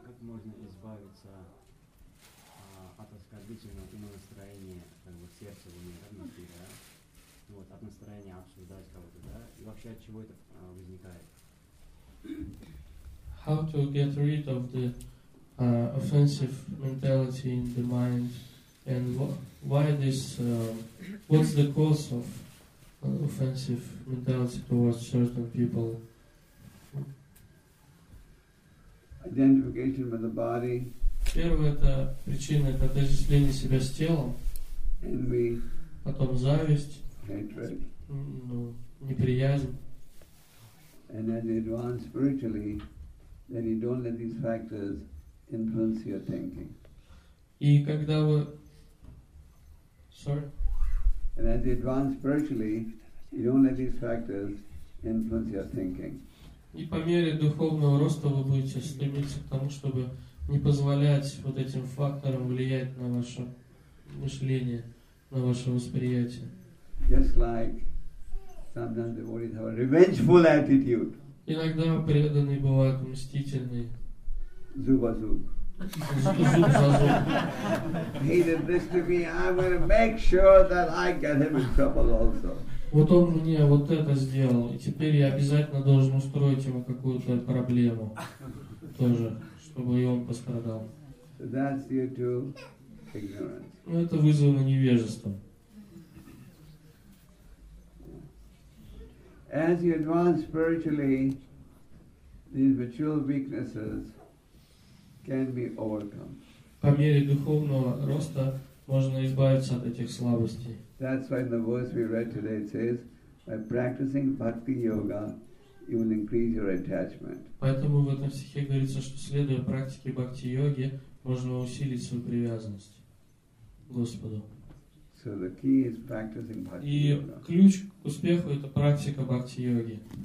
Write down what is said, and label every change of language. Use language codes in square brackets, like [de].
[ru] Как можно избавиться от оскорбительного настроения, как бы сердца в мире, да? Вот, от настроения обсуждать кого-то, да? И вообще, от чего это возникает? [en] How to get rid of the offensive mentality in the mind, and why this, what's the cause of offensive mentality towards certain people? Identification with the body. [ru] Первое, это причина, это отождествление себя с телом. [en] Envy. [ru] Потом зависть. [en] Hatred. [ru] Неприязнь. [en] And as you advance spiritually, then you don't let these factors influence your thinking. [ru] И когда вы, [en] And as you advance spiritually, you don't let these factors influence your thinking. [ru] И по мере духовного роста вы будете стремиться к тому, чтобы не позволять вот этим факторам влиять на ваше мышление, на ваше восприятие. [en] Just like sometimes devotees have a revengeful attitude. [ru] Иногда преданные бывают мстительные. Зуб за зуб. Зуб за зуб. [en] He did this to me. I'm going to make sure that I get him in trouble also. [ru] Вот он мне вот это сделал, и теперь я обязательно должен устроить ему какую-то проблему тоже, чтобы и он пострадал. [en] So that's due to ignorance. [ru] Ну это вызвано невежеством. [en] As you advance spiritually, these material weaknesses can be overcome. [ru] По мере духовного роста можно избавиться от этих слабостей. [en] That's why in the verse we read today it says, by practicing bhakti yoga, you will increase your attachment. [ru] Поэтому в этом стихе говорится, что следуя практике бхакти йоги, можно усилить свою привязанность к Господу. [en] So the key is practicing bhakti yoga. И ключ к успеху это практика бхакти йоги.